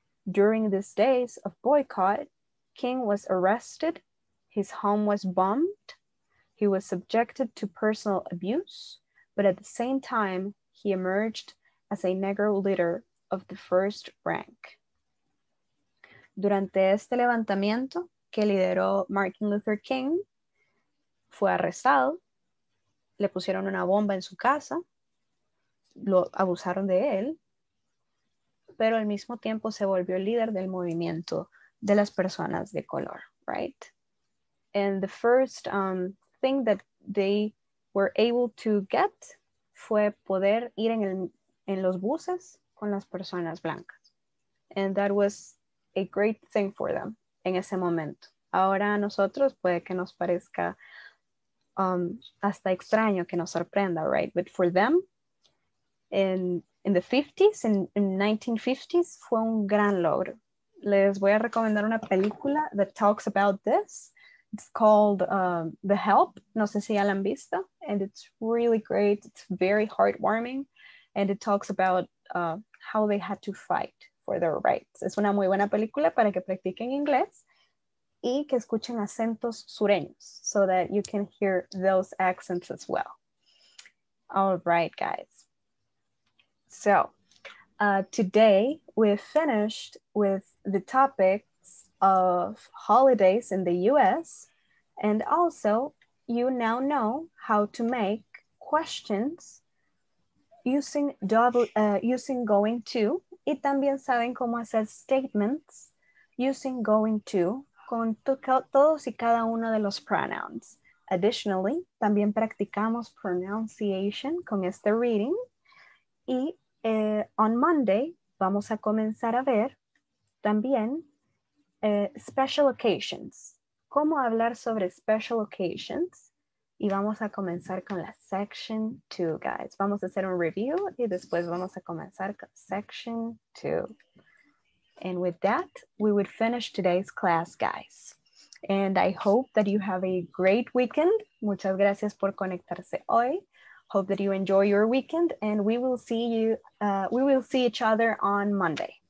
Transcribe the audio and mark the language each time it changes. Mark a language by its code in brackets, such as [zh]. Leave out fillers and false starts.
[en] During these days of boycott, King was arrested, his home was bombed, he was subjected to personal abuse, but at the same time, he emerged as a Negro leader of the first rank. [es] Durante este levantamiento que lideró Martin Luther King, fue arrestado, le pusieron una bomba en su casa, lo abusaron de él, pero al mismo tiempo se volvió el líder del movimiento de las personas de color, right? [en] And the first thing that they were able to get [es] fue poder ir en los buses con las personas blancas. [en] And that was a great thing for them [es] en ese momento. Ahora a nosotros puede que nos parezca hasta extraño que nos sorprenda, right? [en] But for them, in the 50s, in 1950s, [es] fue un gran logro. Les voy a recomendar una película [en] that talks about this. It's called The Help. [es] No sé si ya la han visto. [en] And it's really great. It's very heartwarming. And it talks about how they had to fight for their rights. [es] Es una muy buena película para que practiquen inglés y que escuchen acentos sureños [en] so that you can hear those accents as well. All right, guys. So, today we finished with the topics of holidays in the US and also you now know how to make questions using using going to. [es] Y también saben cómo hacer [en] statements using going to [es] con todos y cada uno de los pronouns. Additionally, también practicamos pronunciation con este reading. Y [en] on Monday, [es] vamos a comenzar a ver también [en] special occasions. [es] Cómo hablar sobre [en] special occasions. [es] Y vamos a comenzar con la section 2, guys. Vamos a hacer un review y después vamos a comenzar con section 2. [en] And with that, we would finish today's class, guys. And I hope that you have a great weekend. [es] Muchas gracias por conectarse hoy. [en] Hope that you enjoy your weekend. And we will see you, we will see each other on Monday.